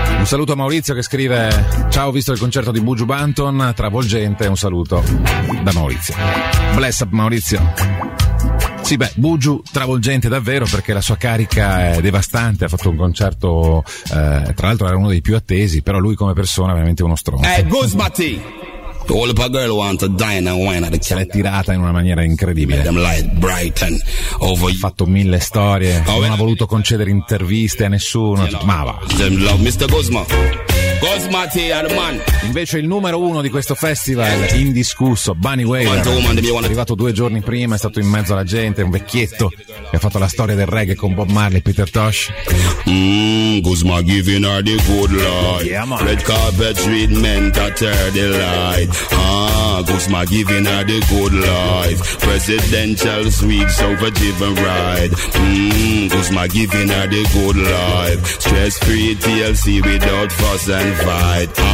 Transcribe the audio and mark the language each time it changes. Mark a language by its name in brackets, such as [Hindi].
[Italian] Un saluto a Maurizio che scrive: ciao, ho visto il concerto di Buju Banton, travolgente, un saluto da Maurizio. [English] Bless up [Italian] Maurizio. Sì, beh, Buju travolgente davvero, perché la sua carica è devastante, ha fatto un concerto, tra l'altro era uno dei più attesi, però lui come persona è veramente uno stronzo. [English] Guzmati! All the girl want to dine and wine at the camp. [Italian] Tirata in una maniera incredibile. Ha fatto mille storie, non ha voluto concedere interviste a nessuno. Ma va. [English] Mr. Guzma. Guzmati and man. [Italian] Invece il numero uno di questo festival, indiscusso, Bunny Wailer. Arrivato due giorni prima, è stato in mezzo alla gente, un vecchietto che ha fatto la storia del reggae con Bob Marley e Peter Tosh. [English] Guzma giving her the good light. Yeah, red carpet treatment to turn the light. Guzma giving her the good life. Presidential sweeps over given ride. Guzma giving her the good life. Stress free TLC without fuss and fight.